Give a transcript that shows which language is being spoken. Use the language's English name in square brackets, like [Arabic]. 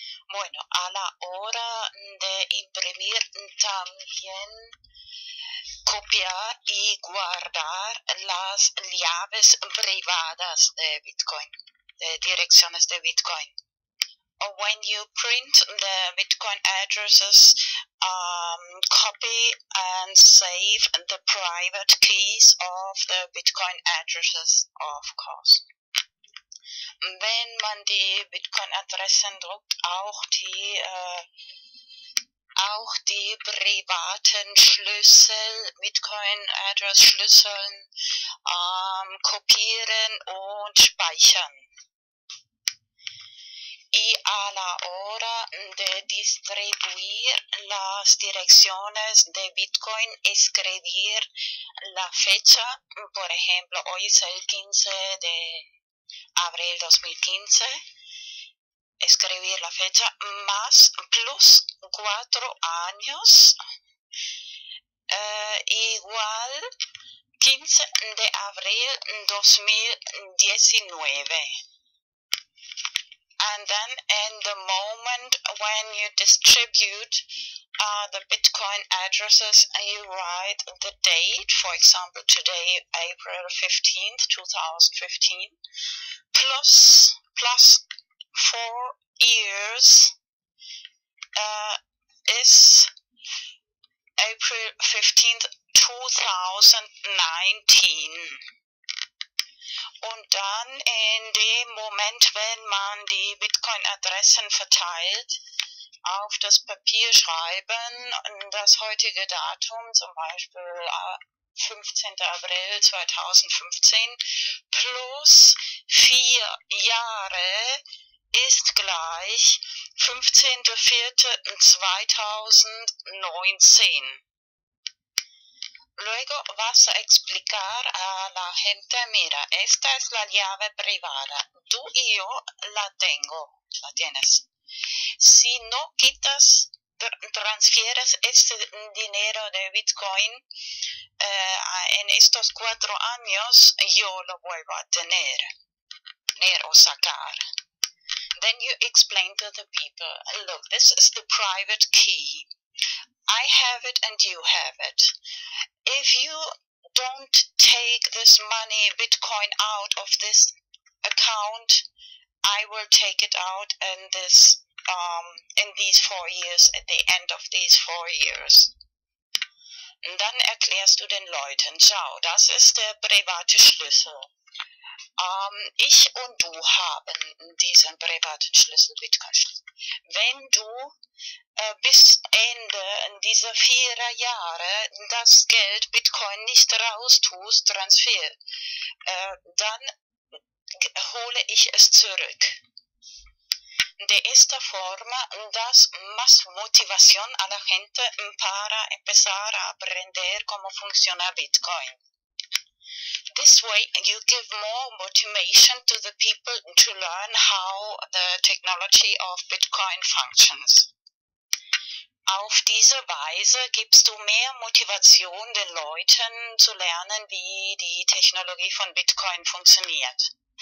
[Spanish] Bueno, a la hora de imprimir también copiar y guardar las llaves privadas de Bitcoin, de direcciones de Bitcoin. [English] when you print the Bitcoin addresses, copy and save the private keys of the Bitcoin addresses, of course. [German] Wenn man die Bitcoin-Adressen druckt, auch die privaten Schlüssel, Bitcoin-Address-Schlüsseln, kopieren und speichern. [Spanish] Y a la hora de distribuir las direcciones de Bitcoin, escribir la fecha, por ejemplo, hoy es el 15 de abril 2015, escribir la fecha, más plus 4 años, igual 15 de abril 2019. [English] And then in the moment when you distribute the Bitcoin addresses, you write the date, for example, today, April 15th, 2015, plus 4 years is April 15th, 2019. [German] Und dann in dem Moment, wenn man die Bitcoin-Adressen verteilt, auf das Papier schreiben, das heutige Datum, zum Beispiel 15. April 2015, plus 4 Jahre ist gleich 15.04.2019. [Spanish] Luego vas a explicar a la gente, mira, esta es la llave privada. Tú y yo la tengo, la tienes. Si no quitas, transfieres este dinero de Bitcoin en estos 4 años, yo lo vuelvo a tener o sacar. [English] Then you explain to the people, look, this is the private key. I have it and you have it. If you don't take this money, Bitcoin, out of this account, I will take it out in this in these 4 years, at the end of these 4 years. [German] Und dann erklärst du den Leuten, schau, das ist der private Schlüssel. Ich und du haben diesen privaten Schlüssel, Bitcoin-Schlüssel. Wenn du bis Ende dieser 4 Jahre das Geld Bitcoin nicht raus tust, Transfer, dann hole ich es zurück. [Spanish] De esta forma das más motivación a la gente para empezar a aprender cómo funciona Bitcoin. [English] This way, you give more motivation to the people to learn how the technology of Bitcoin functions. [German] Auf diese Weise gibst du mehr Motivation den Leuten zu lernen, wie die Technologie von Bitcoin funktioniert.